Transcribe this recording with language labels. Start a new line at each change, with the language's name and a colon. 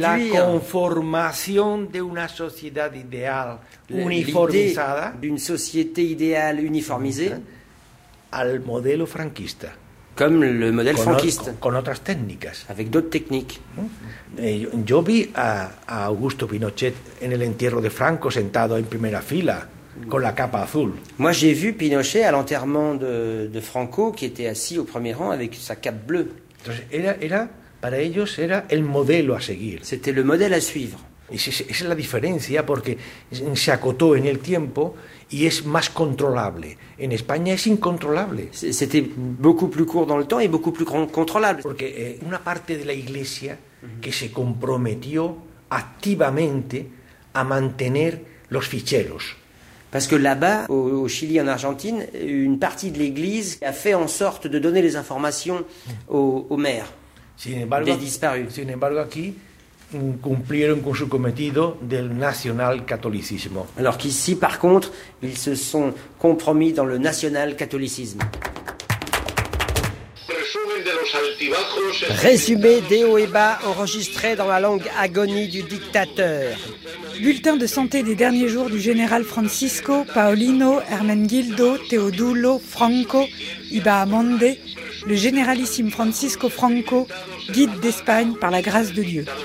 Spanish: la conformación de una sociedad ideal uniformizada,
French: d'une société idéale uniformisée,
Spanish: al modelo franquista.
French: Comme le modèle franquiste.
Spanish: Con otras técnicas.
French: Avec d'autres techniques.
Spanish: Yo vi a Augusto Pinochet en el entierro de Franco sentado en primera fila con la capa azul.
French: Moi j'ai vu Pinochet à l'enterrement de Franco qui était assis au premier rang avec sa cape bleue.
Spanish: Entonces era para ellos era el modelo a seguir.
French: C'était le modèle à suivre.
Spanish: Y esa es la diferencia porque se acotó en el tiempo y es más controlable. En España es incontrolable.
French: C'était beaucoup plus court dans le temps et beaucoup plus contrôlable.
Spanish: Porque una parte de la iglesia que se comprometió activamente a mantener los ficheros.
French: Parce que là-bas, au Chili, en Argentine, une partie de l'Église a fait en sorte de donner les informations aux maires des disparus.
Spanish: Sin embargo, aquí cumplieron con su cometido del nacional catolicismo.
French: Alors qu'ici, par contre, ils se sont compromis dans le national catholicisme. Résumé des hauts et bas enregistrés dans la langue agonie du dictateur. Bulletin de santé des derniers jours du général Francisco, Paolino, Hermenegildo, Teodulo, Franco, Ibahamonde, le généralissime Francisco Franco, guide d'Espagne par la grâce de Dieu.